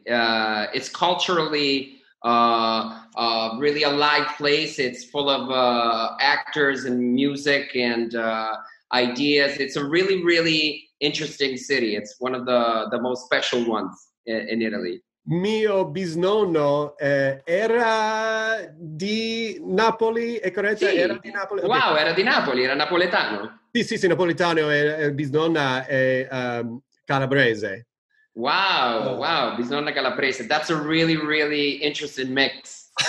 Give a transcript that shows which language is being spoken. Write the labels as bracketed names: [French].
[English] It's culturally a really alive place. It's full of actors and music and ideas. It's a really, really interesting city. It's one of the most special ones in Italy. [Italian] Mio bisnonno era di Napoli, è corretto? Sì. Era di Napoli. Okay. Wow, era di Napoli, era napoletano. Sì, napoletano e bisnonna è calabrese. Wow, bisnonna calabrese. [English] That's a really, really interesting mix.